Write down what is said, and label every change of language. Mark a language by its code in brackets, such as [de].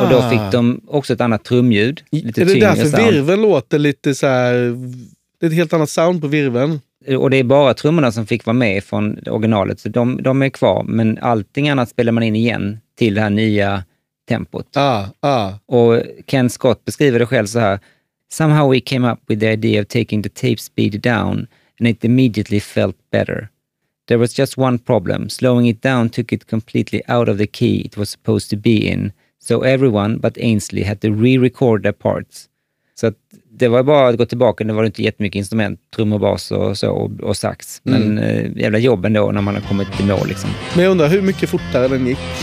[sv] Och då fick de också ett annat trumljud. Lite är det därför virveln låter lite så här... Det är ett helt annat sound på virveln. Och det är bara trummorna som fick vara med från originalet, så de är kvar. Men allting annat spelar man in igen till det här nya tempot. Och Ken Scott beskriver det själv så här: [en] "Somehow we came up with the idea of taking the tape speed down and it immediately felt better. There was just one problem. Slowing it down took it completely out of the key it was supposed to be in. So everyone but Ainsley had to re-record their parts." [sv] Så att det var bara att gå tillbaka, det var inte jättemycket instrument, trummor, bas och så och sax. Men jävla jobben då när man har kommit till mål liksom. Men jag undrar, hur mycket fortare den gick?